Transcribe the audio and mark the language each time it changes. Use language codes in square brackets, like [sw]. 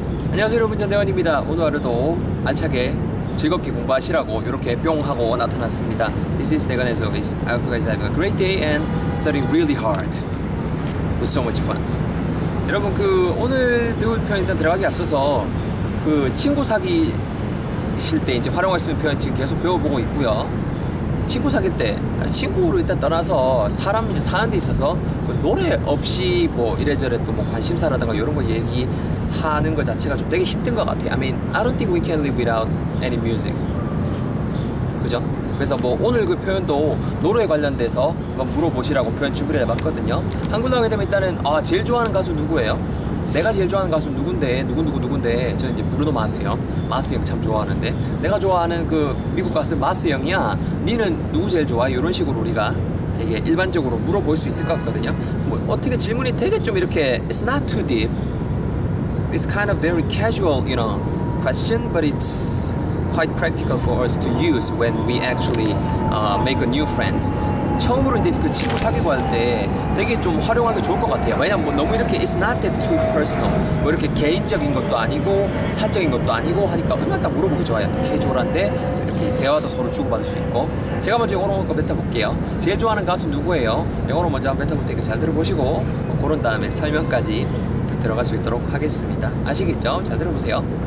[ko] 안녕하세요 여러분, 전대건입니다. 오늘 하루도 알차게 즐겁게 공부하시라고 이렇게 뿅 하고 나타났습니다. [en] This is 대건의 service. I hope you guys have a great day and studying really hard with so much fun. [ko] 여러분, 그 오늘 배울 표현 일단 들어가기 앞서서 그 친구 사귀실 때 이제 활용할 수 있는 표현 지금 계속 배워보고 있고요. 친구 사귈 때 친구를 일단 떠나서 사람 이제 사는 데 있어서 그 노래 없이 뭐 이래저래 또 뭐 관심사라든가 이런 거 얘기하는 거 자체가 좀 되게 힘든 것 같아요. [en] I mean, I don't think we can live without any music. [ko] 그죠? 그래서 뭐 오늘 그 표현도 노래에 관련돼서 한번 물어보시라고 표현 준비를 해봤거든요. 한국 나오게 되면 일단은 아, 제일 좋아하는 가수 누구예요? 내가 제일 좋아하는 가수 누군데, 누군데, 저는 이제 브루노 마스 형, 마스 형 참 좋아하는데, 내가 좋아하는 그 미국 가수 마스 형이야, 니는 누구 제일 좋아? 이런 식으로 우리가 되게 일반적으로 물어볼 수 있을 것 같거든요. 뭐 어떻게 질문이 되게 좀 이렇게, [en] it's not too deep, it's kind of very casual, you know, question, but it's quite practical for us to use when we actually make a new friend. [ko] 처음으로 이제 그 친구 사귀고 할 때 되게 좀 활용하기 좋을 것 같아요. 왜냐면 뭐 너무 이렇게 [en] it's not that too personal, [ko] 뭐 이렇게 개인적인 것도 아니고 사적인 것도 아니고 하니까 얼마나 딱 물어보기 좋아요. 또 캐주얼한데 또 이렇게 대화도 서로 주고받을 수 있고. 제가 먼저 영어로 한번 뱉어볼게요. 제일 좋아하는 가수 누구예요? 영어로 먼저 한번 뱉어볼게요. 잘 들어보시고 뭐 그런 다음에 설명까지 들어갈 수 있도록 하겠습니다. 아시겠죠? 잘 들어보세요.